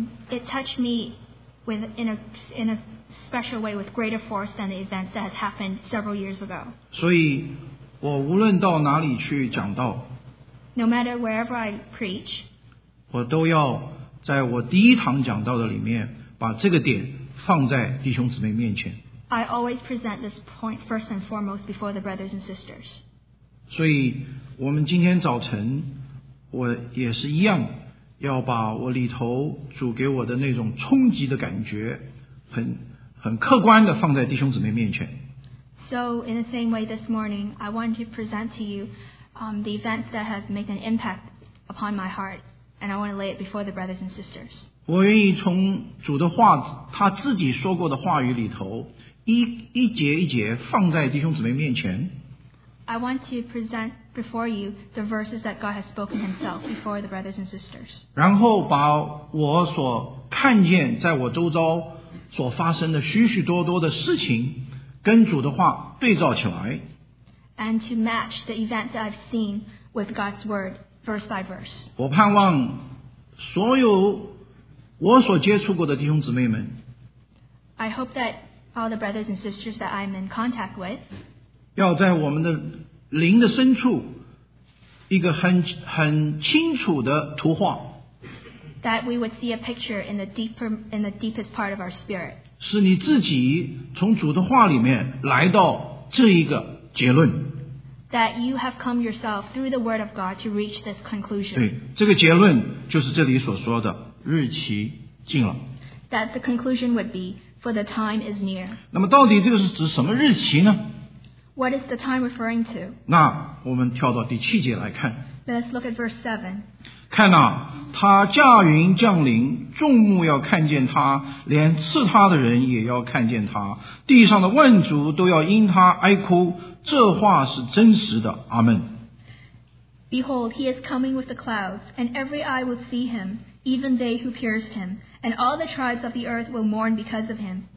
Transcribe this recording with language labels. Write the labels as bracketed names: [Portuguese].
[English] It touched me in a special way with greater force than the events that has happened several years ago. [Chinese] 所以我无论到哪里去讲道 [English] No matter wherever I preach, [Chinese] 我都要在我第一堂讲道的里面把这个点放在弟兄姊妹面前。 [English] I always present this point first and foremost before the brothers and sisters. [Chinese] 所以我们今天早晨我也是一样要把我里头主给我的那种冲击的感觉 很, 很客观地放在弟兄姊妹面前。 [English] So in the same way this morning, I want to present to you the events that have made an impact upon my heart, and I want to lay it before the brothers and sisters. [Chinese] 我愿意从主的话，他自己说过的话语里头，一节一节放在弟兄姊妹面前。 [English] I want to present before you the verses that God has spoken himself before the brothers and sisters. [Chinese] 然后把我所看见在我周遭所发生的许许多多的事情跟主的话对照起来。 [English] And to match the events that I've seen with God's word verse by verse. [Chinese] 我盼望所有我所接触过的弟兄姊妹们。 [English] I hope that all the brothers and sisters that I'm in contact with [Chinese] 要在我们的灵的深处一个 很清楚的图画 [English] that we would see a picture in the, deeper, in the deepest part of our spirit [Chinese] 是你自己从主的话里面来到这一个结论 [English] that you have come yourself through the word of God to reach this conclusion [Chinese] 对这个结论就是这里所说的日期近了 [English] that the conclusion would be for the time is near [Chinese] 那么到底这个是指什么日期呢 [English] What is the time referring to? [Chinese] 那我们跳到第七节来看。 [English] Let's look at verse 7. [Chinese] 看啊，他驾云降临，众目要看见他，连刺他的人也要看见他，地上的万族都要因他哀哭，这话是真实的。阿们。 [English] Behold, he is coming with the clouds, and every eye will see him, even they who pierced him, and all the tribes of the earth will mourn because of him.